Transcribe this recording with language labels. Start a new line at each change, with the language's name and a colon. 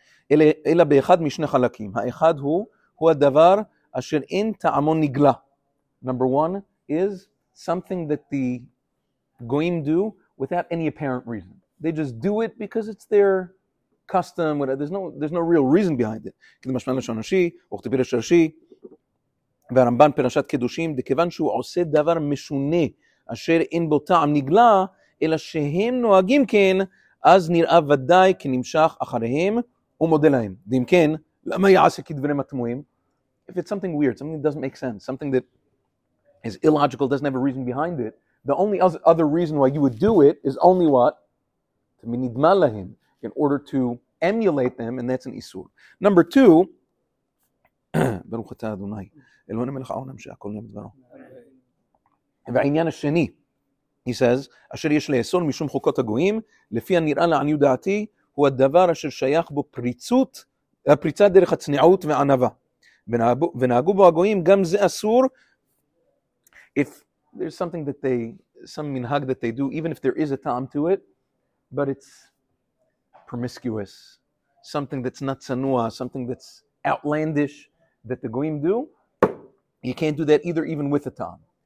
Hebrew: Ela be'echad mishne chalakim. Ha'echad hu ha'davar.
English: Asher in ta'amon nigla. Number one is something that the goyim do without any apparent reason. They just do it because it's their custom. There's no real reason behind it.
Hebrew: כי זה משמע לשון ראשי, וכתובי לשון ראשי, והרמב"ן פרשת קדושים, דכיוון שהוא עושה דבר משונה, אשר אין בו טעם נגלה, אלא שהם נוהגים כן, אז נראה ודאי כנמשך אחריהם ומודה להם. ואם כן, למה יעשה כדברים התמויים?
English: If it's something weird, something that doesn't make sense, something that is illogical, doesn't have a reason behind it, the only other reason why you would do it is only what? מנדמה להם, in order to emulate them, and that's an איסור.
Hebrew: Number two, ברוך אתה אדוני, אלוהינו מלך העולם שהכל נהיה בדברו. והעניין השני, he says, אשר יש לאסור משום חוקות הגויים, לפי הנראה לעניות דעתי, הוא הדבר אשר שייך בו פריצה דרך הצניעות וענווה. ונהגו בו הגויים, גם זה אסור.
English: If there's something that they, some minhag that they do, even if there is a ta'am to it, but it's promiscuous, something that's not tsanua, something that's outlandish that the goyim do, you can't do that either, even with a ta'am.